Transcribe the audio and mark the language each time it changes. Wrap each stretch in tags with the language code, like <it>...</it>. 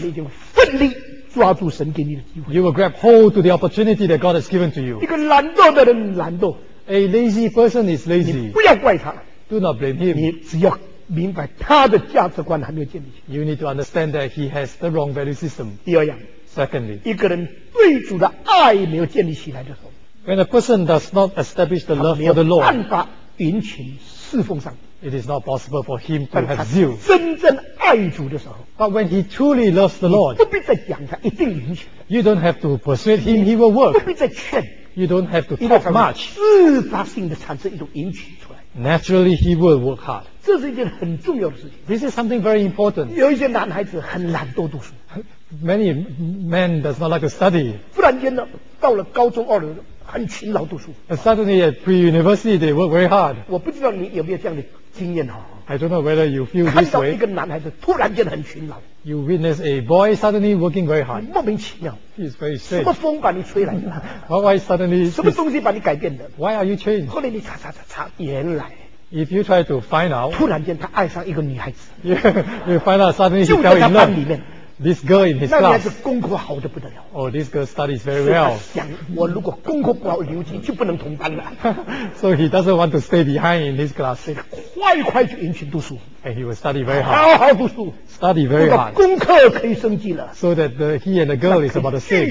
<zh>你已经奋力抓住神给你的机会。</zh> <en>You will grab hold to the opportunity that God has given to you.</en> <zh>一个懒惰的人懒惰。</zh> <en>A lazy person is lazy.</en> <zh>你不要怪他。</zh> <en>Do not blame him.</en> <zh>你只要明白他的价值观还没有建立起来。</zh> <en>You need to understand that he has the wrong value system.</en> <zh>第二样。</zh> <en>Secondly,</en> <zh>一个人对主的爱没有建立起来的时候。</zh> <en>When a person does not establish the love for the Lord,</en> <zh>他没有办法殷勤侍奉上帝。</zh> <en>It is not possible for him to have zeal.</en> <zh>真正爱主的时候。</zh> <en>But when he truly loves the Lord,</en> <zh>你不必再讲他，一定允许。</zh> <en>You don't have to persuade him, he will work.</en> <zh>不必再劝。</zh> <en>You don't have to talk much.</en> <zh>自发性的产生一种殷勤出来。</zh> <en>Naturally, he will work hard.</en> <zh>这是一件很重要的事情。</zh> <en>This is something very important.</en> <zh>有一些男孩子很懒惰读书。</zh> <en>Many men does not like to study.</en> <zh>不然间呢，到了高中二年，很勤劳读书。</zh> <en>And suddenly at pre-university, they work very hard.</en> <zh>我不知道你有没有这样的经验哈。</zh> <en>I don't know whether you feel this way.</en> <zh>看到一个男孩子突然间很勤劳。</zh> <en>You witness a boy suddenly working very hard.</en> <zh>莫名其妙。</zh> <en>He's very strange.</en> <zh>什么风把你吹来</zh> <en>的？Why suddenly?</en> <zh>什么东西把你改变的</zh> <en>？Why are you changed?</en> <zh>后来你查查查查，原来。</zh> <en>If you try to find out.</en> <zh>突然间他爱上一个女孩子。</zh> <en>You find out suddenly he fell in love.</en> <zh>里面。</zh> <en>This girl in his class.</en> <zh>那女孩子功课好得不得了。</zh> <en>Oh, this girl studies very well.</en> <zh>想我如果功课不好留级就不能同班了。</zh> <en>So he doesn't want to stay behind in his class.</en> <zh>快快去殷勤读书。</zh> <en>And he will study very hard.</en> <zh>好好读书。</zh> <en>Study very hard.</en> <zh>功课可以升级了。</zh> <en>So that he and the girl is about the same.</en>